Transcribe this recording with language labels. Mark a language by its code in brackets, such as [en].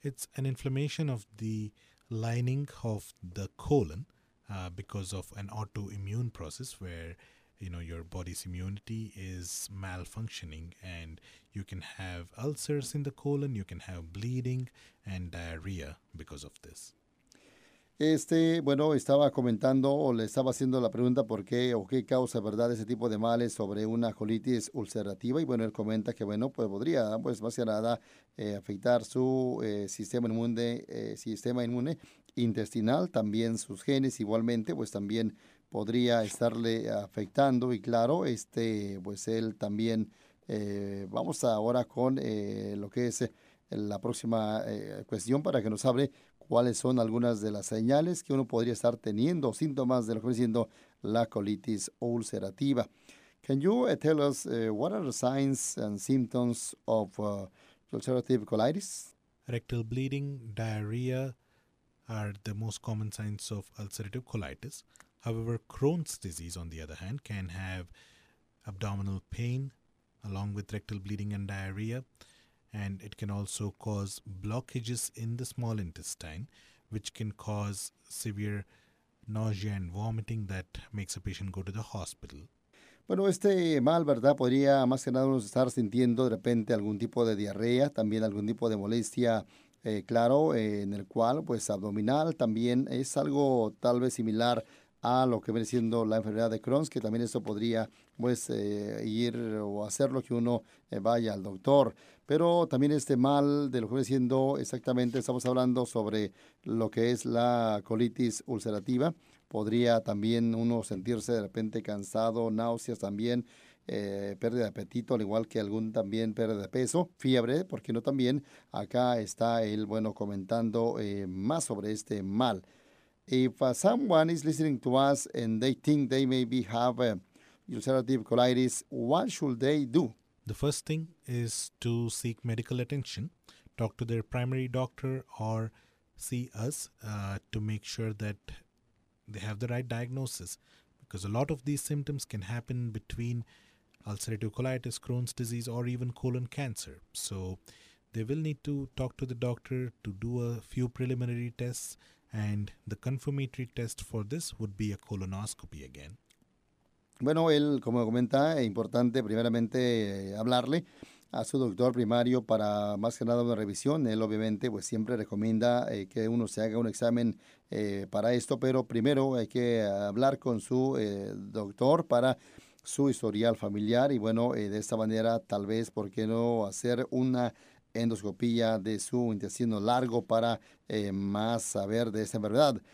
[en] It's an inflammation of the lining of the colon because of an autoimmune process where, you know, your body's immunity is malfunctioning and you can have ulcers in the colon, you can have bleeding and diarrhea because of this. [es] Bueno, estaba comentando o le estaba haciendo la pregunta por qué o qué causa, ¿verdad?, ese tipo de males sobre una colitis ulcerativa. Y bueno, él comenta que, bueno, pues podría, pues más que nada, afectar su sistema inmune intestinal, también sus genes, igualmente, pues también podría estarle afectando. Y claro, pues él también, vamos ahora con lo que es la próxima cuestión para que nos hable cuáles son algunas de las señales que uno podría estar teniendo, síntomas de lo que viene siendo la colitis ulcerativa. [en] Can you tell us what are the signs and symptoms of ulcerative colitis? Rectal bleeding, diarrhea are the most common signs of ulcerative colitis. However, Crohn's disease, on the other hand, can have abdominal pain along with rectal bleeding and diarrhea. And it can also cause blockages in the small intestine, which can cause severe nausea and vomiting that makes a patient go to the hospital. [es] Bueno, este mal, ¿verdad? Podría más que nada uno estar sintiendo de repente algún tipo de diarrea, también algún tipo de molestia, claro, en el cual, pues, abdominal también es algo tal vez similar a lo que viene siendo la enfermedad de Crohn's, que también eso podría, pues, ir o hacerlo que uno vaya al doctor. Pero también este mal de lo que viene siendo exactamente, estamos hablando sobre lo que es la colitis ulcerativa. Podría también uno sentirse de repente cansado, náuseas también, pérdida de apetito, al igual que algún también pérdida de peso, fiebre, porque no también acá está él, bueno, comentando más sobre este mal. [en] If someone is listening to us and they think they maybe have ulcerative colitis, what should they do? The first thing is to seek medical attention. Talk to their primary doctor or see us to make sure that they have the right diagnosis, because a lot of these symptoms can happen between ulcerative colitis, Crohn's disease, or even colon cancer. So they will need to talk to the doctor to do a few preliminary tests, and the confirmatory test for this would be a colonoscopy again. [es] Bueno, él, como comenta, es importante primeramente hablarle a su doctor primario para más que nada una revisión. Él obviamente pues siempre recomienda que uno se haga un examen para esto, pero primero hay que hablar con su doctor para su historial familiar y bueno, de esta manera tal vez, ¿por qué no hacer una endoscopía de su intestino largo para más saber de esta enfermedad?